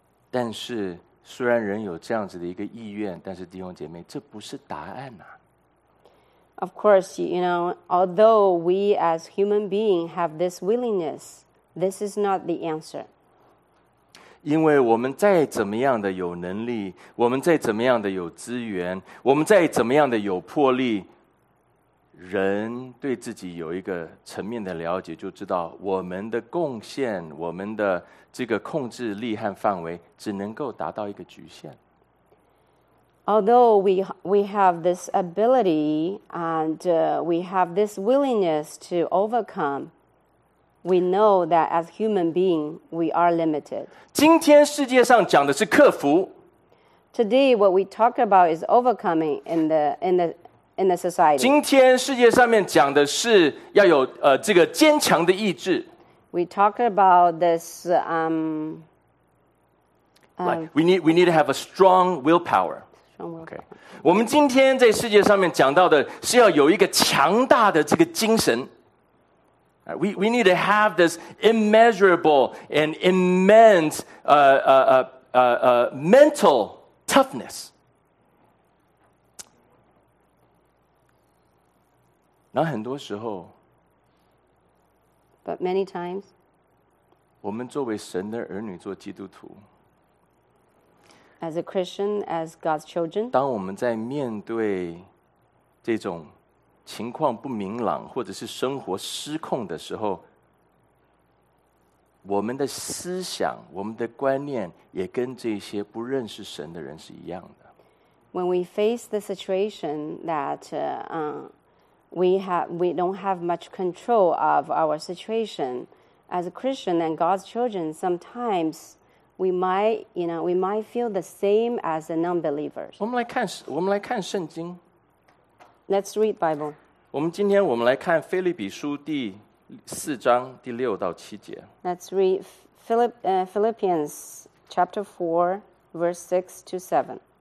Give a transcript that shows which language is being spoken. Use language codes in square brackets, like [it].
[zh] 但是虽然人有这样子的一个意愿，但是弟兄姐妹，这不是答案啊。 [en] Of course, you know, although we as human beings have this willingness, this is not the answer. [zh] 因为我们再怎么样的有能力，我们再怎么样的有资源，我们再怎么样的有魄力，人对自己有一个层面的了解，就知道我们的贡献，我们的这个控制力和范围，只能够达到一个局限。 [en] Although we have this ability and we have this willingness to overcome, we know that as human being, we are limited. [zh] 今天世界上讲的是克服。 [en] Today, what we talk about is overcoming in the society. [zh] 今天世界上面讲的是要有这个坚强的意志。 [en] We talk about this. We need to have a strong willpower. Okay. [zh] 我们今天在世界上面讲到的是要有一个强大的这个精神。 [en] We need to have this immeasurable and immense mental toughness. [zh] 然后很多时候 [en] But many times [zh] 我们作为神的儿女做基督徒 [en] As a Christian, as God's children, [zh] 当我们在面对这种情况不明朗或者是生活失控的时候，我们的思想、我们的观念也跟这些不认识神的人是一样的。 [en] When we face the situation that we don't have much control of our situation, as a Christian and God's children, sometimes. We might feel the same as the non-believers. [zh] 我们来看圣经。 [en] Let's read Bible. [zh] 我们来看腓立比书第四章第六到七节。 [en] Let's read Philippians chapter 4, verse 6 to 7.